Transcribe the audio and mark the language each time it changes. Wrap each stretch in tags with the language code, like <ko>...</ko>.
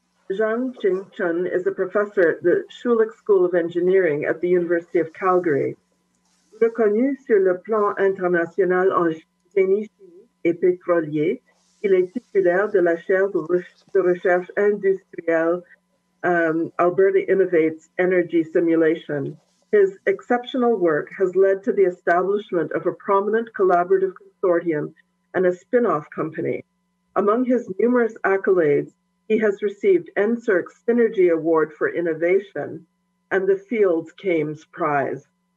<en>Zhang Ching Chun is a professor at the Schulich School of Engineering at the University of Calgary.</en> <fr>Reconnu sur le plan international en génie chimique et pétrolier, il est titulaire de la chaire de recherche industrielle Alberta Innovates Energy Simulation.</fr> <en>His exceptional work has led to the establishment of a prominent collaborative consortium and a spin-off company. Among his numerous accolades, he has received NSERC Synergy Award for Innovation and the Fields Kames Prize.</en>